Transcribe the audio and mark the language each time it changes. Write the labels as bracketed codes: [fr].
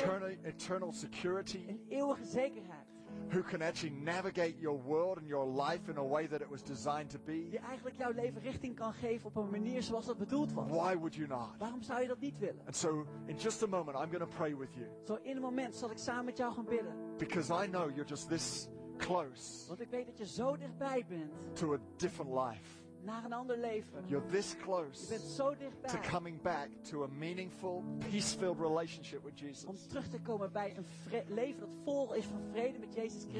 [en] eternal, [nl] geven? [en] Eternal security. [nl] Een eeuwige zekerheid. [en] Who can actually navigate your world and your life in a way that it was designed to be? [nl] Die eigenlijk jouw leven richting kan geven op een manier zoals dat bedoeld was. [en] Why would you not? [nl] Waarom zou je dat niet willen? [en] And so, in just a moment, I'm going to pray with you. [nl] Zo in een moment zal ik samen met jou gaan bidden. [en] Because I know you're just this close. [nl] Want ik weet dat je zo dichtbij bent. [en] To a different life. [nl] Naar een ander leven. [en] You're this close. [nl] Je bent zo dichtbij. [en] To coming back to a meaningful, peace-filled relationship with Jesus. [nl] Om terug te komen bij een leven dat vol is van vrede met Jezus Christus.